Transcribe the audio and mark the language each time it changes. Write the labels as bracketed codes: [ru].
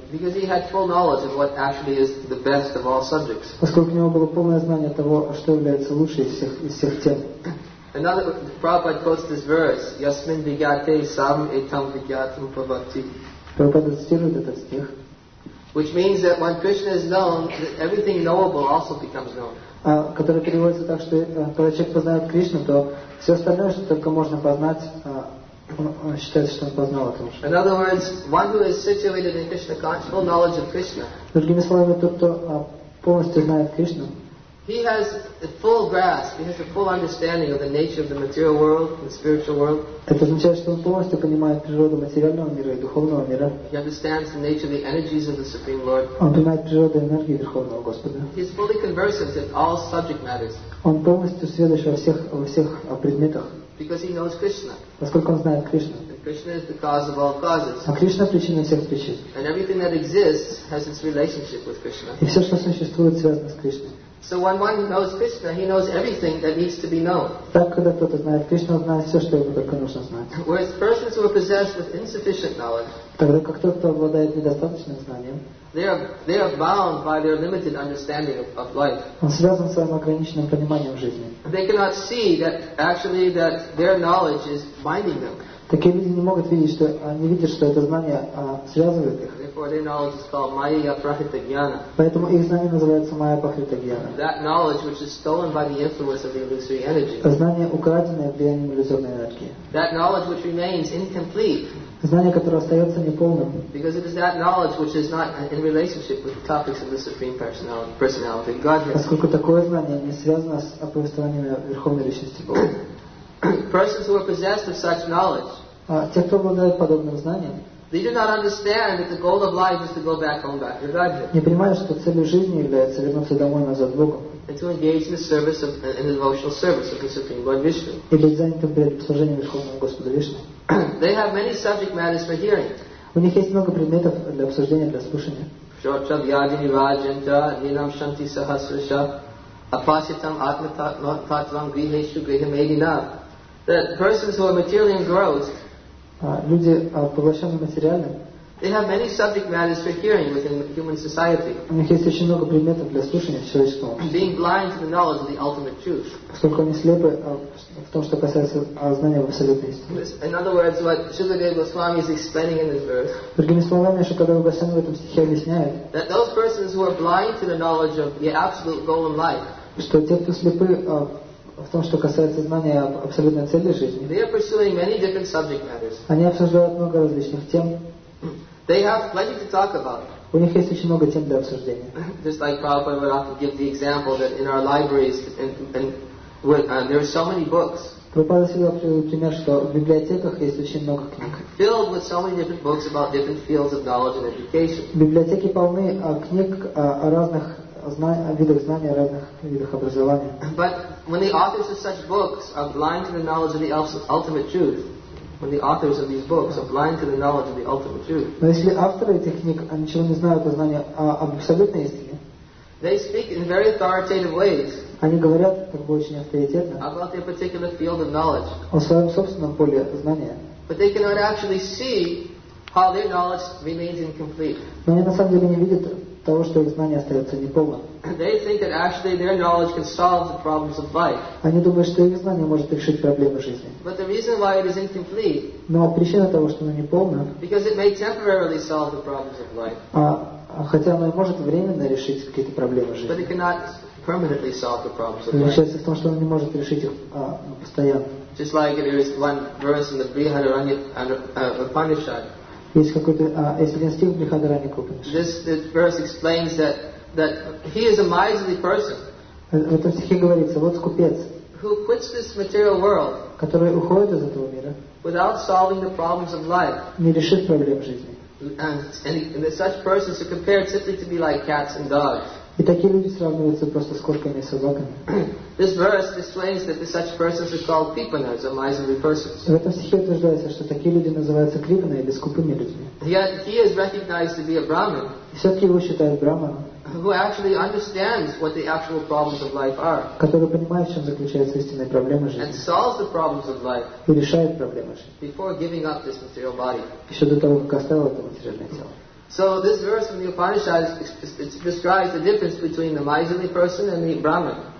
[en] Because he had full knowledge of what actually is the best of all subjects. [ru] Поскольку у него было полное знание того, что является лучшей из всех тем. [en] Another Prabhupada quotes this verse: [sa] Yasmin vigyate sam etam vigyatam pavati. [ru] Прабхупада цитирует этот стих. [en] Which means that when Krishna is known, everything knowable also becomes known. [ru] Который переводится так, что когда человек познает Кришну, то все остальное, что только можно познать, он считается, что он познал это уже. [en] In other words, one who is situated in Krishna consciousness, full knowledge of Krishna. [ru] Другими словами, тот, кто полностью знает Кришну. [en] He has a full grasp. He has a full understanding of the nature of the material world, the spiritual world. [ru] Это означает, что он полностью понимает природу материального мира и духовного мира. [en] He understands the nature of the energies of the Supreme Lord. [ru] Он понимает природу энергии Верховного Господа. [en] He is fully conversant in all subject matters. [ru] Он полностью сведущ во всех предметах. [en] Because he knows Krishna. [ru] Поскольку он знает Кришну. [en] Krishna is the cause of all causes. [ru] А Кришна причина всех причин. [en] And everything that exists has its relationship with Krishna. [ru] И все, что существует, связано с Кришной. [en] So when one knows Krishna, he knows everything that needs to be known. [ru] Так когда кто-то знает Кришну, знает все, что ему только нужно знать. [en] Whereas persons who are possessed with insufficient knowledge, [ru] тогда как тот, кто обладает недостаточным знанием, [en] they are bound by their limited understanding of life. [ru] Он связан с своим ограниченным пониманием жизни. [en] They cannot see that actually that their knowledge is binding them. [ru] Такие люди не могут видеть, что они видят, что это знание связывает их. [en] Therefore, their knowledge is called Maya Prakrita Jnana. [ru] Поэтому их знание называется Maya Prakrita Jnana. [en] That knowledge which is stolen by the influence of the illusory energy. [ru] Знание, украденное влиянием иллюзорной энергии. [en] That knowledge which remains incomplete. [ru] Знание, которое остается неполным. [en] Because it is that knowledge which is not in relationship with the topics of the Supreme Personality, Godhead. [ru] Поскольку такое знание не связано с повествованиями Верховной Личности Бога. [en] Persons who are possessed of such knowledge, [ru] те, кто обладает подобным знанием, [en] they do not understand that the goal of life is to go back home, back to Godhead. [ru] Не понимают, что целью жизни является вернуться домой назад к Богу. [en] And to engage in the service of in the devotional service of the Supreme Lord Vishnu. [ru] И быть занятым перед служением Верховного Господа Вишну. [en] They have many subject matters for hearing. [ru] У них есть много предметов для обсуждения, для слушания. [sa] Шоча дьядини ваджанта нинам шанти сахасриша апаситам атмататвам грихешу грихамедина. [en] That persons who are materially engrossed, [ru] люди поглощены материальным, [en] they have many subject matters for hearing within human society. [ru] У них есть очень много предметов для слушания в человеческом обществе. [en] Being blind to the knowledge of the ultimate truth. [ru] Поскольку они слепы в том, что касается знания в абсолютной истине. [en] In other words, what Śrīladeva Gosvāmī is explaining in this verse. [ru] Другими словами, Śrīladeva Gosvāmī в этом стихе объясняет. [en] That those persons who are blind to the knowledge of the absolute goal in life. [ru] Что те, кто слепы в том, что касается знания об абсолютной цели жизни. [en] They are pursuing many different subject matters. [ru] Они обсуждают много различных тем. [en] They have plenty to talk about. [ru] У них есть очень много тем для обсуждения. [en] Just like Prabhupada would often give the example that in our libraries and there are so many books. [ru] Прабхупада всегда приводит пример, что в библиотеках есть очень много книг. [en] Filled with so many different books about different fields of knowledge and education. [ru] Библиотеки полны книг о разных видах знания, разных видах образования. [en] But when the authors of such books are blind to the knowledge of the ultimate truth, when the authors of these books are blind to the knowledge of the ultimate truth. [ru] Но если авторы этих книг ничего не знают о знании об абсолютной истине, [en] they speak in very authoritative ways. [ru] Они говорят как бы очень авторитетно. [en] About their particular field of knowledge. [ru] О своем собственном поле знания. [en] But they cannot actually see how their knowledge remains incomplete. [ru] Но они на самом деле не видят того, что их знание остается неполным. [en] They think that actually their knowledge can solve the problems of life. [ru] Они думают, что их знание может решить проблемы жизни. [en] But the reason why it is incomplete. [ru] Но причина того, что оно неполно. [en] Because it may temporarily solve the problems of life. [ru] Хотя оно и может временно решить какие-то проблемы жизни. [en] But it cannot permanently solve the problems of life. [ru] Заключается в том, что оно не может решить их постоянно. [en] Just like there is one verse in the Brihadaranyaka Upanishad. [ru] Есть какой-то один стих в Брихадаранике Упанишаде. [en] This verse explains that he is a miserly person. [ru] В этом стихе говорится, вот скупец. [en] Who quits this material world. [ru] Который уходит из этого мира. [en] Without solving the problems of life. [ru] Не решит проблем жизни. [en] And such persons are compared simply to be like cats and dogs. [ru] И такие люди сравниваются просто с кошками и собаками. [en] This verse explains that such persons are called kripanas, or miserly persons. [ru] В этом стихе утверждается, что такие люди называются крипаны или скупыми людьми. [en] Yet he is recognized to be a brahmin. [ru] Все-таки его считают брахманом. [en] Who actually understands what the actual problems of life are. [ru] Который понимает, в чем заключается истинная проблема жизни. [en] And solves the problems of life. [ru] И решает проблемы жизни. [en] Before giving up this material body. [ru] Еще до того, как оставил это материальное тело. [en] So this verse from the Upanishad describes the difference between the miserly person and the brahmin.